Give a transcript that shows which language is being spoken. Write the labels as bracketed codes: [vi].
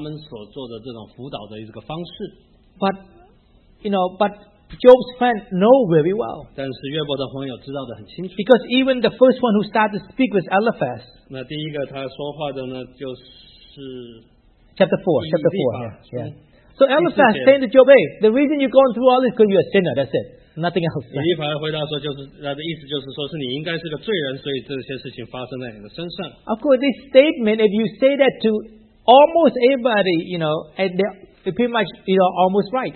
[zh] 但是约伯呢的情形呢，不适用他们所做的这种辅导的一个方式。 [en] But, you know, but Job's friend know very well. [zh] 但是约伯的朋友知道得很清楚。 [en] Because even the first one who started to speak was Eliphaz. [zh] 那第一个他说话的呢，就是 [en] chapter 4. So Eliphaz saying to Job, "Hey, the reason you're going through all this is because you're a sinner. That's it. Nothing else." [zh] 以利法回答说，就是他的意思就是说，是你应该是个罪人，所以这些事情发生在你的身上。 [en] Of course, this statement, if you say that to almost everybody, you know, and they're pretty much, you know, almost right.